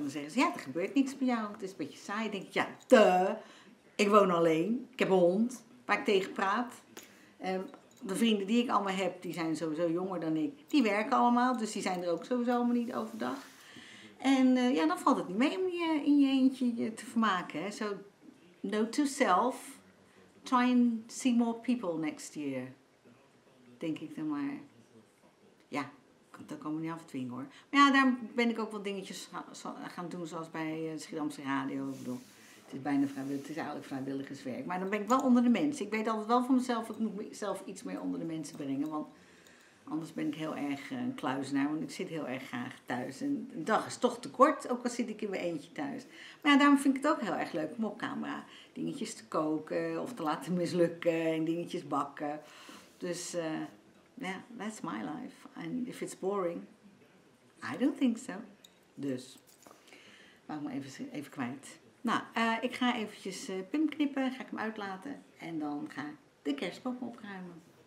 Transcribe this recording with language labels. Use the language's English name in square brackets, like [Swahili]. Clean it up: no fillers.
[Dutch] En dan zeggen ze, ja, er gebeurt niets bij jou. Het is een beetje saai. Dan denk ik, ja, ik woon alleen. Ik heb een hond waar ik tegen praat. De vrienden die ik allemaal heb, die zijn sowieso jonger dan ik. Die werken allemaal, dus die zijn er ook sowieso allemaal niet overdag. En ja, dan valt het niet mee om je in je eentje te vermaken. [English] So, note to self, try and see more people next year. [Dutch] Denk ik dan maar. Ja, ik kan het ook allemaal niet afdwingen hoor. Maar ja, daar ben ik ook wat dingetjes gaan doen, zoals bij Schiedamse Radio. Ik bedoel, het is eigenlijk vrijwilligerswerk. Maar dan ben ik wel onder de mensen. Ik weet altijd wel van mezelf, ik moet mezelf iets meer onder de mensen brengen. Want Anders ben ik heel erg een kluizenaar, want ik zit heel erg graag thuis. En een dag is toch te kort, ook al zit ik in mijn eentje thuis. Maar ja, daarom vind ik het ook heel erg leuk om op camera dingetjes te koken of te laten mislukken en dingetjes bakken. Dus ja, [English] yeah, that's my life. And if it's boring, I don't think so. [Dutch] Dus, maak me even kwijt. Nou, ik ga eventjes Pim knippen, ga ik hem uitlaten en dan ga ik de kerstboom opruimen.